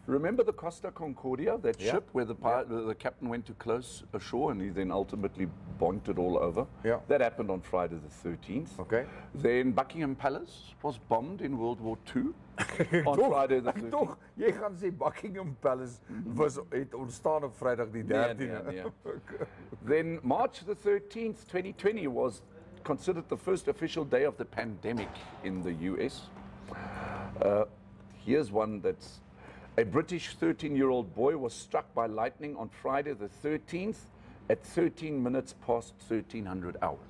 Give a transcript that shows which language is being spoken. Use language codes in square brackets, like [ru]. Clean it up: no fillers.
[en] Remember the Costa Concordia, that ship where the captain went to close ashore and he then ultimately bonked it all over? Yeah. That happened on Friday the 13th. Okay. Then Buckingham Palace was bombed in World War II on Friday the 13th. [af] Toch, jy gaan sê Buckingham Palace het ontstaan op Vrydag die 13de. Nee, nee, nee. [en] Then March the 13th, 2020 was considered the first official day of the pandemic in the US. Here's one that's a British 13-year-old boy was struck by lightning on Friday the 13th at 13 minutes past 1300 hours.